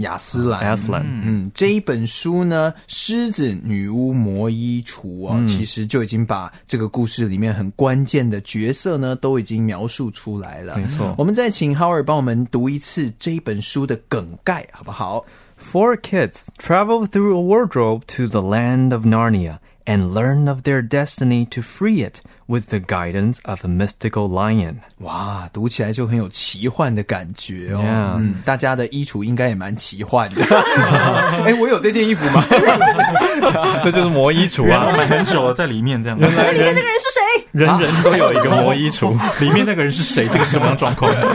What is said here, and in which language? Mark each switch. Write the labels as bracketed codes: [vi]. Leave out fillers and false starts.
[zh] 亚斯兰，亚斯兰、嗯嗯、这一本书呢狮子女巫魔衣橱、哦嗯、其实就已经把这个故事里面很关键的角色呢都已经描述出来了，没错，我们再请Howard 帮我们读一次这一本书的梗概好不好？ [en] Four kids travel through a wardrobe to the land of Narnia and learn of their destiny to free it with the guidance of a mystical lion. [zh] 哇，读起来就很有奇幻的感觉哦。 [en] Yeah. 嗯、 [zh] 大家的衣橱应该也蛮奇幻的。哎，我有这件衣服吗？这就是魔衣橱啊，买很久了，在里面这样。里面那个人是谁？人人都有一个魔衣橱，里面那个人是谁？这个是什么样的状况？